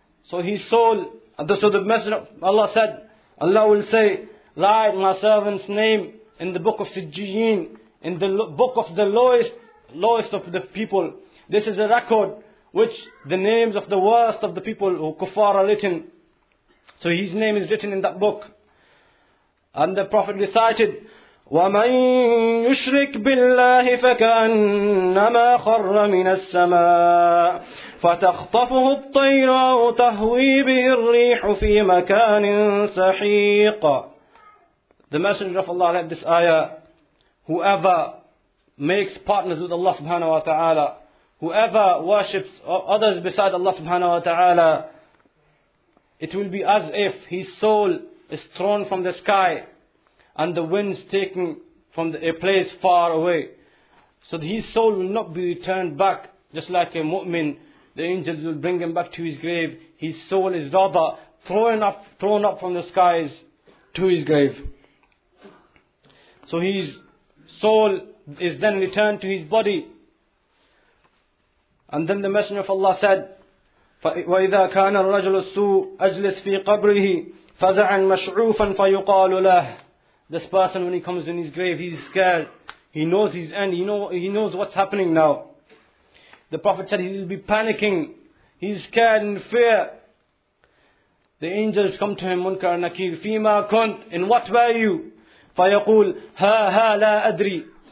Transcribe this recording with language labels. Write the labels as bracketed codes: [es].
[en] So his soul, so the Messenger of Allah said, Allah will say, write my servant's name in the book of Sijjiyin, in the book of the lowest of the people. This is a record which the names of the worst of the people who kuffar are written. So his name is written in that book. And the Prophet recited, [ar] وَمَن يُشْرِكْ بِاللَّهِ فَكَأَنَّمَا خَرَّ مِنَ السَّمَاءِ فَتَخْطَفُهُ الطَّيْرُ أَوْ تَهْوِي بِهِ الرِّيحُ فِي مَكَانٍ سَحِيقٍ. [en] The Messenger of Allah read this ayah, whoever makes partners with Allah subhanahu wa ta'ala, whoever worships others beside Allah subhanahu wa ta'ala, it will be as if his soul is thrown from the sky and the winds taken from a place far away. So his soul will not be returned back, just like a mu'min, the angels will bring him back to his grave. His soul is rather thrown up from the skies to his grave. So his soul is then returned to his body. And then the Messenger of Allah said, [ar] وَإِذَا كَانَ الرَّجُلُ السُّوءُ أَجْلِسْ فِي قَبْرِهِ فَزَعًا مَشْعُوفًا فَيُقَالُ لَهُ. [en] This person, when he comes in his grave, he's scared. He knows his end. He knows what's happening now. The Prophet said he'll be panicking. He's scared and fear. The angels come to him, Munkar and Nakir. [ar] Fima kunt, [en] in what were you? [ar] Fayaqul, ha ha la adri.